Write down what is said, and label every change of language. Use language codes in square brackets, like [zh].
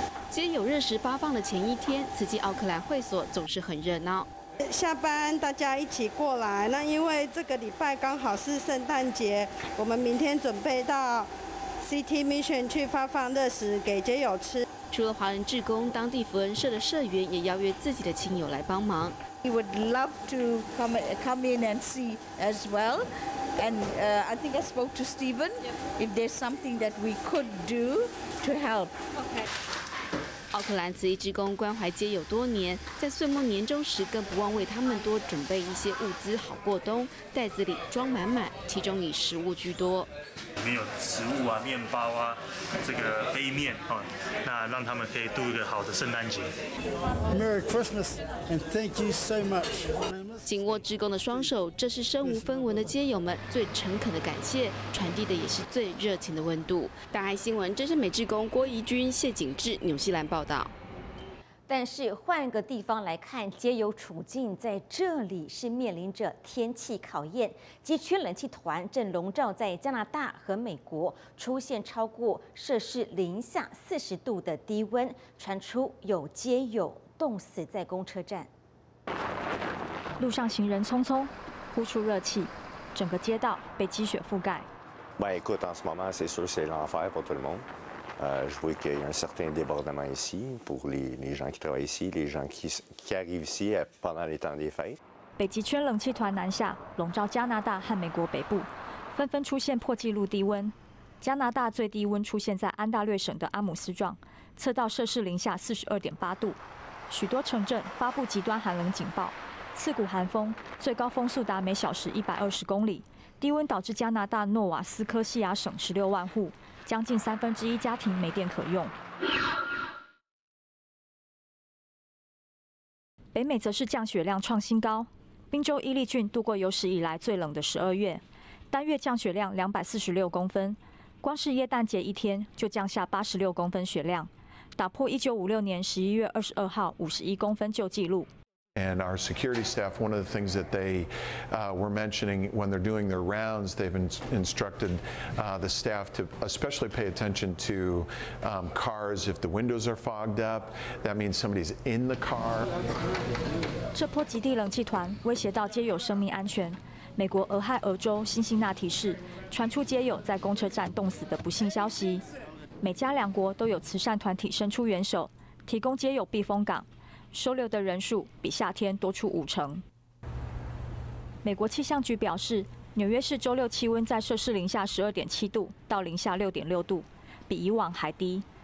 [zh] 街友认识发放的前一天，慈济奥克兰会所总是很热闹。下班大家一起过来，那因为这个礼拜刚好是圣诞节，我们明天准备到 CT Mission 去发放热食给街友吃。除了华人志工，当地福恩社的社员也邀约自己的亲友来帮忙。 [en] We would love to come in and see as well. And I think I spoke to Stephen. If there's something that we could do to help. Okay. [zh] 奥克兰慈济志工关怀街友多年，在岁末年终时更不忘为他们多准备一些物资好过冬，袋子里装满满，其中以食物居多。里面有食物啊，面包啊，这个杯面啊，那让他们可以度一个好的圣诞节。 [en] Merry Christmas and thank you so much。 [zh] 紧握志工的双手，这是身无分文的街友们最诚恳的感谢，传递的也是最热情的温度。大爱新闻真善美志工郭怡君、谢景志，纽西兰报道。但是换个地方来看，皆有处境，在这里是面临着天气考验。极区冷气团正笼罩在加拿大和美国，出现超过摄氏零下40度的低温，传出有街友冻死在公车站。路上行人匆匆，呼出热气，整个街道被积雪覆盖。 [fr] Bah, écoute, en ce moment, c'est sûr, c'est l'enfer pour tout le monde. Je vois qu'il y a un certain débordement ici pour les gens qui travaillent ici, les gens qui arrivent ici pendant les temps des fêtes. [zh] 北极圈冷气团南下，笼罩加拿大和美国北部，纷纷出现破纪录低温。加拿大最低温出现在安大略省的阿姆斯壮，测到摄氏零下42.8度。许多城镇发布极端寒冷警报，刺骨寒风，最高风速达每小时120公里。低温导致加拿大诺瓦斯科西亚省16万户。将近三分之一家庭没电可用。北美则是降雪量创新高，宾州伊利郡度过有史以来最冷的12月，单月降雪量246公分，光是耶诞节一天就降下86公分雪量，打破1956年11月22号51公分旧纪录。 [en] And our security staff, one of the things that they were mentioning when they're doing their rounds, they've instructed the staff to especially pay attention to cars. If the windows are fogged up, that means somebody's in the car. [zh] 这波极地冷气团威胁到街友生命安全。美国俄亥俄州辛辛那提市传出街友在公车站冻死的不幸消息。美加两国都有慈善团体伸出援手，提供街友避风港。收留的人数比夏天多出50%。美国气象局表示，纽约市周六气温在摄氏零下12.7度到零下6.6度，比以往还低。